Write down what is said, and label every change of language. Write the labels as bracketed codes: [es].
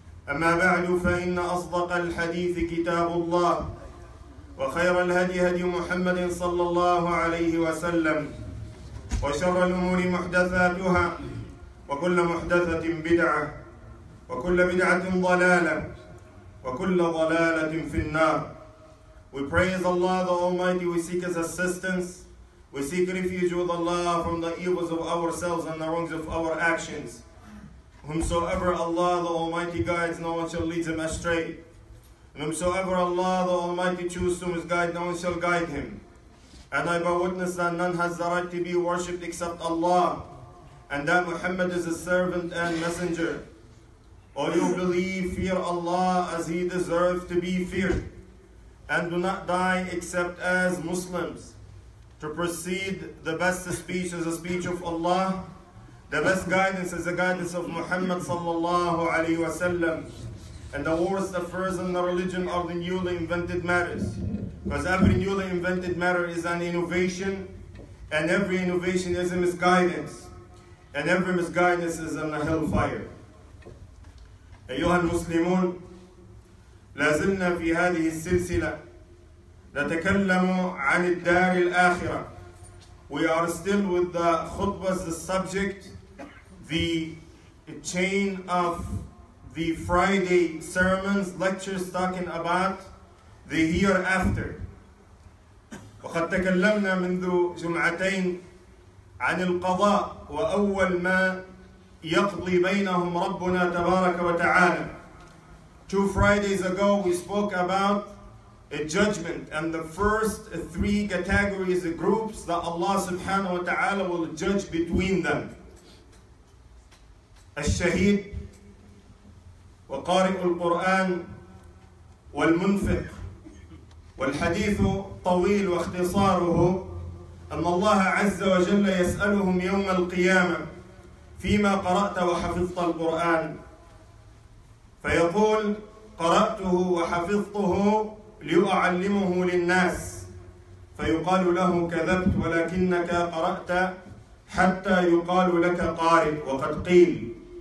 [ar] أما بعد فإن أصدق الحديث كتاب الله وخير الهدي هدي محمد صلى الله عليه وسلم وشر الأمور محدثاتها وكل محدثة بدعة وكل بدعة ضلالة وكل ضلالة في النار. [en] We praise Allah the Almighty, we seek His assistance, we seek refuge with Allah from the evils of ourselves and the wrongs of our actions. Whomsoever Allah the Almighty guides, no one shall lead him astray. And whomsoever Allah the Almighty chooses to misguide, no one shall guide him. And I bear witness that none has the right to be worshipped except Allah, and that Muhammad is his servant and messenger. O you believe, fear Allah as he deserves to be feared, and do not die except as Muslims. To proceed, the best speech is the speech of Allah. The best guidance is the guidance of Muhammad sallallahu alayhi wa sallam. And the worst affairs in the religion are the newly invented matters. Because every newly invented matter is an innovation, and every innovation is a misguidance. And every misguidance is in the hellfire. [ar] أيها المسلمون، لازلنا في هذه السلسلة نتكلم عن الدار الآخرة. [en] We are still with the khutbah's subject, the chain of the Friday sermons, lectures talking about the hereafter. [ar] وقد تكلمنا منذ جمعتين عن القضاء وأول ما يقضي بينهم ربنا تبارك وتعالى. [en] Two Fridays ago we spoke about a judgment and the first three categories of groups that Allah subhanahu wa ta'ala will judge between them. [ar] الشهيد وقارئ القرآن والمنفق. والحديث طويل واختصاره أن الله عز وجل يسألهم يوم القيامة فيما قرأت وحفظت القرآن، فيقول قرأته وحفظته لأعلمه للناس، فيقال له كذبت ولكنك قرأت حتى يقال لك قارئ وقد قيل.